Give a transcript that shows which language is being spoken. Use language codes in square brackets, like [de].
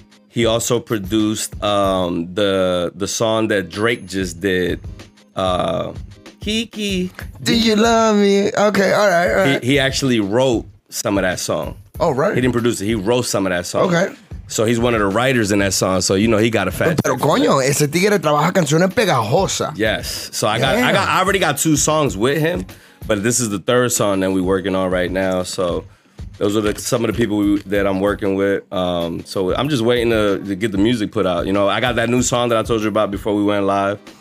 [en] He also produced the song that Drake just did. Kiki, do you love me? Okay, all right. He actually wrote some of that song. Oh, right. He didn't produce it. He wrote some of that song. Okay. So he's one of the writers in that song. So you know he got a fat. [es] Pero coño, ese tigre trabaja canciones pegajosas. [en] Yes. So I already got 2 songs with him, but this is the 3rd song that we're working on right now. So those are some of the people that I'm working with. So I'm just waiting to get the music put out. You know, I got that new song that I told you about before we went live.